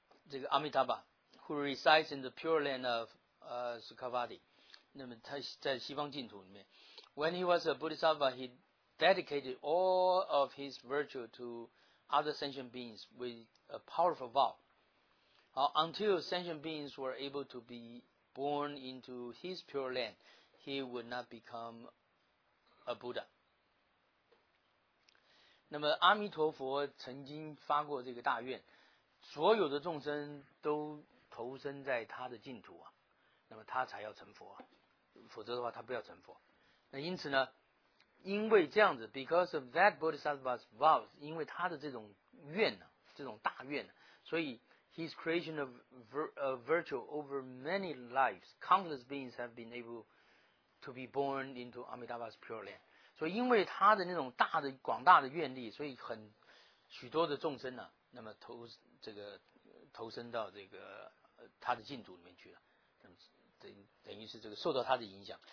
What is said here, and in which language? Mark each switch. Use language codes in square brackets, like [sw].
[en] 这个阿弥陀佛 who resides in the pure land of Sukhavati， [zh] 那么他在西方净土里面， [en] when he was a Bodhisattva， he dedicated all of his virtue to other sentient beings with a powerful vow， until sentient beings were able to be born into his pure land， he would not become a Buddha。 [zh] 那么阿弥陀佛曾经发过这个大愿，所有的众生都投身在他的净土啊，那么他才要成佛啊，否则的话他不要成佛。那因此呢，因为这样子 [en] ，because of that Bodhisattva's vow， [zh] 因为他的这种愿呢，这种大愿，所以 [en] his creation of virtue over many lives， countless beings have been able to be born into Amitabha's pure land。 [zh] 所以因为他的那种大的广大的愿力，所以很许多的众生呢、那么投身到这个他的净土里面去了，等于是这个受到他的影响。